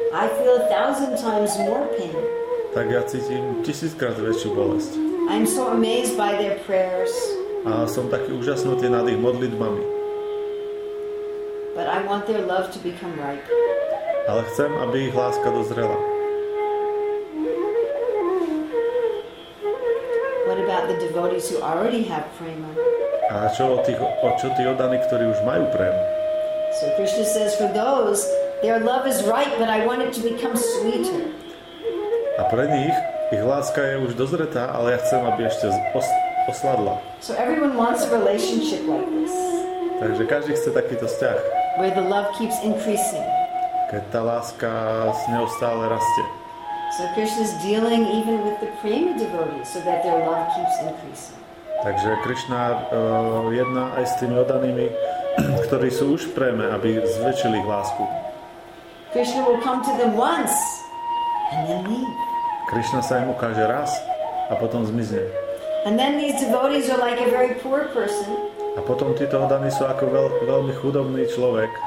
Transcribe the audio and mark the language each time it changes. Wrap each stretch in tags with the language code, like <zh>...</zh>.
<en>I feel a thousand times more pain.</en> <sk>Tak ja cítim tisíckrát väčšiu bolesť.</sk> <en>I'm so amazed by their prayers.</en> <sk>A som taký úžasnutý nad ich modlitbami.</sk> <en>But I want their love to become ripe.</en> <sk>Ale chcem, aby ich láska dozrela.</sk> <en>What about the devotees who already have prema?</en> <sk>A čo tí oddaní, ktorí už majú prem?</sk> <en>So Krishna says for those, their love is right, but I want it to become sweeter.</en> <sk>A pre nich, ich láska je už dozretá, ale ja chcem, aby ešte osladla.</sk> <en>So everyone wants a relationship like this.</en> <sk>Takže každý chce takýto vzťah.</sk> <en>Where the love keeps increasing.</en> <sk>Keď tá láska s ňou stále rastie.</sk> <en>So Krishna is dealing even with the prema devotees so that their love keeps increasing.</en> <sk>Takže Krishna jedná aj s tými oddanými, ktorí sú už v preme, aby zväčšili ich lásku.</sk> <en>Krishna will come to them once and then leave.</en> <sk>Krishna sa im ukáže raz a potom zmizne.</sk> <en>And then these devotees are like a very poor person.</en> <sk>A potom títo oddaní sú ako veľmi chudobný človek,</sk>